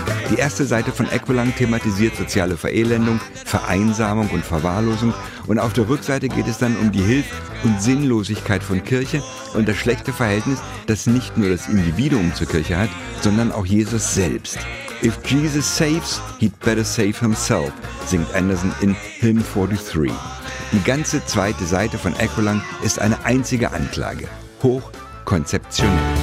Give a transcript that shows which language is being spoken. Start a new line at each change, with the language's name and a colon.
German: Die erste Seite von Aqualung thematisiert soziale Verelendung, Vereinsamung und Verwahrlosung. Und auf der Rückseite geht es dann um die Hilf- und Sinnlosigkeit von Kirche und das schlechte Verhältnis, das nicht nur das Individuum zur Kirche hat, sondern auch Jesus selbst.
English: If Jesus saves, he'd better save himself,
German: singt
English: Anderson in Hymn 43.
German: Die ganze zweite Seite von Aqualung ist eine einzige Anklage, hochkonzeptionell.